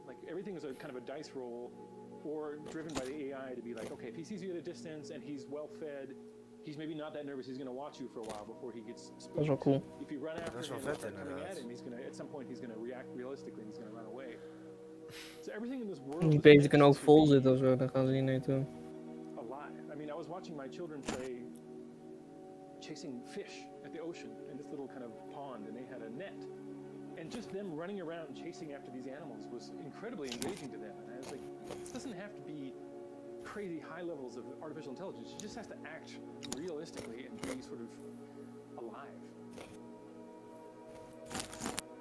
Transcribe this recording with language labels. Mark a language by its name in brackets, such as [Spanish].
[English] Like everything is a kind of a dice roll or driven by the AI to be like, okay, if he sees you at a distance and he's well fed, he's maybe not that nervous. He's going to watch you for a while before he gets spooked. That's all cool. If you run after That's him, all vet, coming at him he's gonna, at some point he's going to react realistically and he's going to run away. So everything in this world [Dutch] die beesten kunnen ook vol zitten ofzo, dan gaan ze hier naartoe. [English] Alive. I mean, I was watching my children play chasing fish at the ocean in this little kind of pond, and they had a net. And just them running around chasing after these animals was incredibly engaging to them. And I was like, this doesn't have to be crazy high levels of artificial intelligence. It just has to act realistically and be sort of alive.